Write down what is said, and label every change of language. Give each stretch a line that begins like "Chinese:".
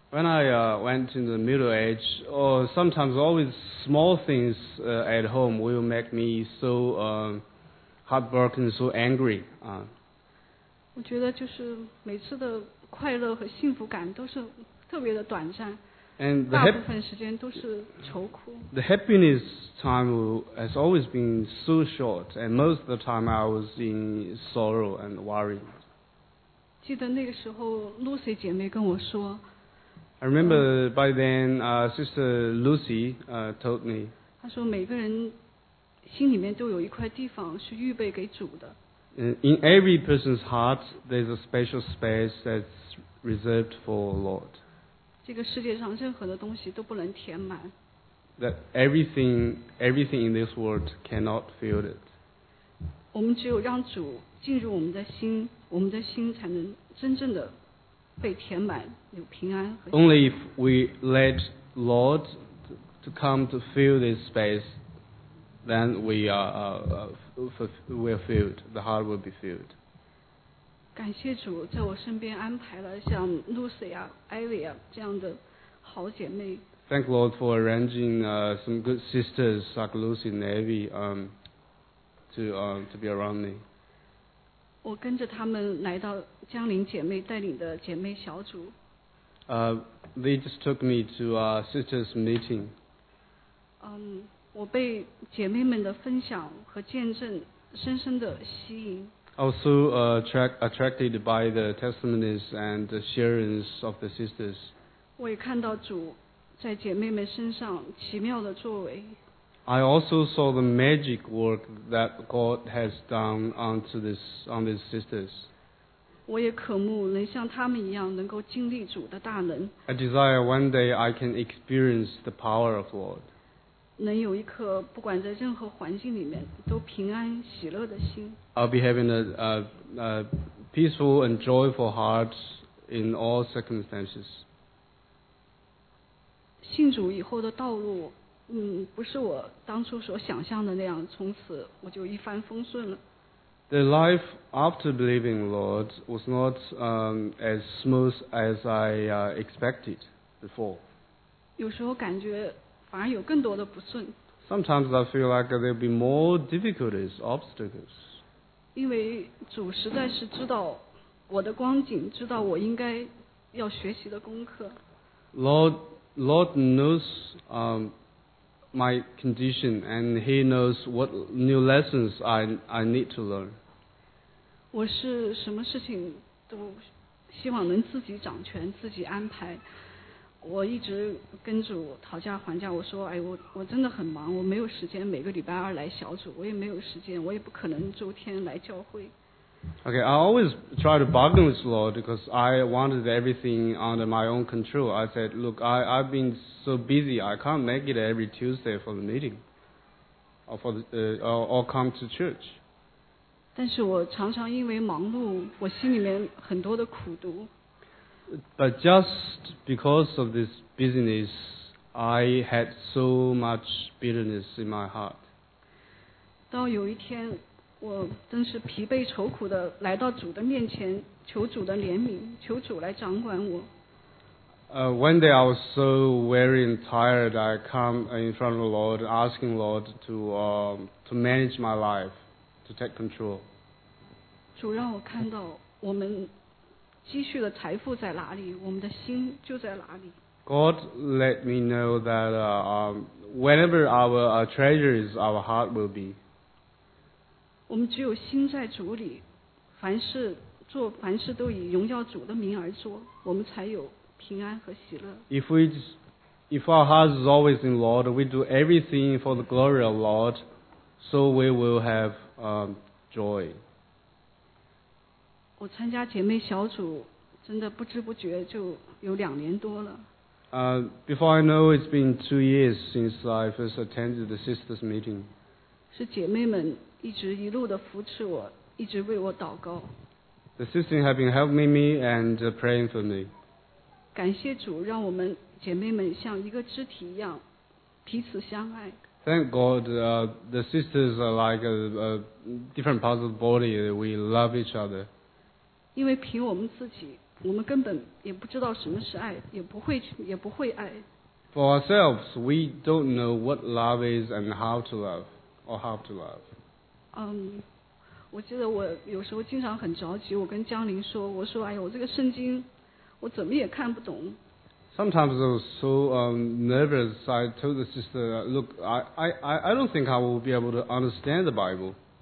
English: When I went in the middle age, or sometimes always small things at home will make me so heartbroken, so angry.
Chinese: 我觉得就是每次的快乐和幸福感都是特别的短暂。
English: And the happiness time has always been so short, and most of the time I was in sorrow and worry.
Chinese: 记得那个时候 Lucy 姐妹跟我说
English: I remember by then Sister Lucy told me.
Chinese: 她说每个人心里面都有一块地方是预备给主的
English: In every person's heart, there's a special space that's reserved for the Lord.
Chinese: 这个世界上任何的东西都不能填满。
English: That everything in this world cannot fill it.
Chinese: 我们只有让主进入我们的心，我们的心才能真正的被填满，有平安和。
English: Only if we let Lord to come to fill this space, then we are filled. The heart will be filled.
Chinese: 感谢主在我身边安排了像 Lucy 啊 Ivy 啊这样的好姐妹
English: Thank Lord for arranging some good sisters like Lucy and Ivy to be around me
Chinese: 我跟着他们来到江陵姐妹带领的姐妹小组
English: They just took me to a sisters meeting
Chinese: 我被姐妹们的分享和见证深深的吸引
English: Also attracted by the testimonies and the sharings of the sisters.
Chinese: 我也看到主在姐妹们身上奇妙的作为。
English: I also saw the magic work that God has done on these sisters.
Chinese: 我也渴慕能像他们一样能够经历主的大能。
English: I desire one day I can experience the power of Lord.
Chinese: 能有一颗不管在任何环境里面都平安喜乐的心。
English: I'll be having a peaceful and joyful heart in all circumstances.
Chinese: 信主以后的道路，不是我当初所想象的那样，从此我就一帆风顺了。
English: The life after believing the Lord was not as smooth as I expected before.
Chinese: 有时候感觉反而有更多的不顺。
English: Sometimes I feel like there'll be more difficulties, obstacles.
Chinese: 因为主实在是知道我的光景，知道我应该要学习的功课。
English: Lord knows my condition, and He knows what new lessons I need to learn.
Chinese: 我是什么事情都希望能自己掌权，自己安排。我一直跟主讨价还价，我说，哎，我真的很忙，我没有时间每个礼拜二来小组，我也没有时间，我也不可能周天来教会。
English: Okay, I always try to bargain with Lord because I wanted everything under my own control. I said, look, I've been so busy, I can't make it every Tuesday for the meeting, or come to church.
Chinese: 但是我常常因为忙碌，我心里面很多的苦读。
English: But just because of this busyness, I had so much bitterness in my heart.
Chinese: 到有一天，我真是疲惫愁苦的来到主的面前，求主的怜悯，求主来掌管我。
English: One day I was so weary and tired, I come in front of the Lord, asking the Lord to manage my life, to take control.
Chinese: 主让我看到我们。积蓄的财富在哪里？我们的心就在哪里。
English: God let me know that whenever our treasures, our heart will be.
Chinese: 我们只有心在主里，凡事做凡事都以荣耀主的名而做，我们才有平安和喜乐。
English: If our heart is always in Lord, we do everything for the glory of Lord, so we will have joy.
Chinese: 我参加姐妹小组真的不知不觉就有两年多了。
English: Before I know it's been 2 years since I first attended the sisters meeting.
Chinese: 是姐妹们一直一路的扶持我，一直为我祷告。
English: The sisters have been helping me and praying for me.
Chinese: 感谢主让我们姐妹们像一个肢体一样彼此相爱。
English: Thank God, the sisters are like a different parts of the body. We love each other.
Chinese: 因为凭我们自己，我们根本也不知道什么是爱，也不会爱。
English: For ourselves, we don't know what love is and how to love, or how to love.
Chinese: 我记得我有时候经常很着急，我跟江玲说，我说，哎呀，我这个圣经，我怎么也看不懂。
English: Sometimes I was so nervous. I told the sister, "Look, I don't think I will be able to understand the Bible."